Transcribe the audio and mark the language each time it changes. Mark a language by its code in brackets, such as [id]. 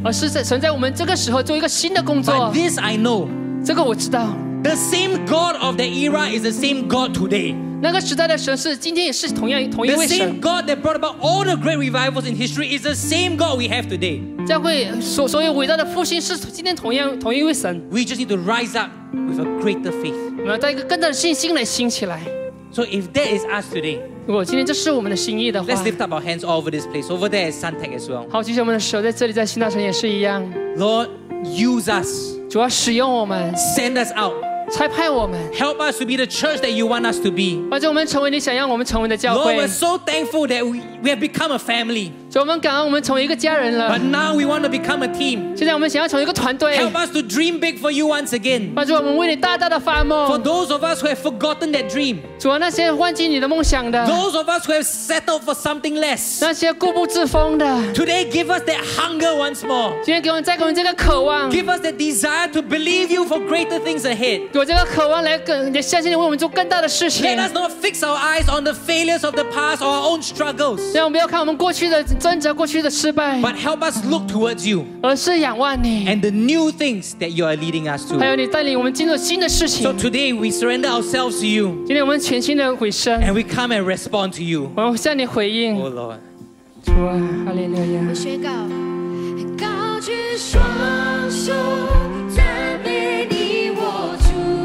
[zh] 而是神在我们这个时候做一个新的工作 [en] But this I know. [zh] 这个我知道 [en] The same God of the era is the same God today. [zh] 那个时代的神是今天也是同一位神。 [en] The same God that brought about all the great revivals in history is the same God we have today. [zh] 教会所有伟大的复兴是今天同一位神。 [en] We just need to rise up with a greater faith. [zh] 我们要带一个更大的信心来兴起来。 [en] So if that is us today, [zh] 如果今天这是我们的心意的话 [en] ，Let's lift up our hands all over this place. Over there is Suntec as well. [zh] 好，举起我们的手，在这里，在新大城也是一样。 [en] Lord, use us. [zh] 主要使用我们。 [en] Send us out. [zh] 差派我们 [en] Help us to be the church that you want us to be. [zh] 帮助我们成为你想要我们成为的教会 [en] Lord, we're so thankful that we have become a family. [zh] 主，我们感恩我们成为一个家人了 [en] But now we want to become a team. [zh] 现在我们想要成为一个团队 [en] Help us to dream big for you once again. [zh] 帮助我们为你大大的发梦 [en] For those of us who have forgotten that dream. [zh] 主啊，那些忘记你的梦想的 [en] Those of us who have settled for something less. [zh] 那些固步自封的 [en] Today give us that hunger once more. [zh] 今天给我们再给我们这个渴望 [en] Give us that desire to believe you for greater things ahead. [zh] 有这个渴望来更相信你为我们做更大的事情 [en] Let us not fix our eyes on the failures of the past or our own struggles [zh] 让我们不要看我们过去的挣扎过去的失败 [en] But help us look towards you [zh] 而是仰望你 [en] And the new things that you are leading us to [zh] 还有你带领我们进入新的事情 [en] So today we surrender ourselves to you [zh] 今天我们全心的回身 [en] And we come and respond to you [zh] 我们向你回应 [en] Oh Lord [zh] 主啊哈利路亚我宣告高举双手赞美你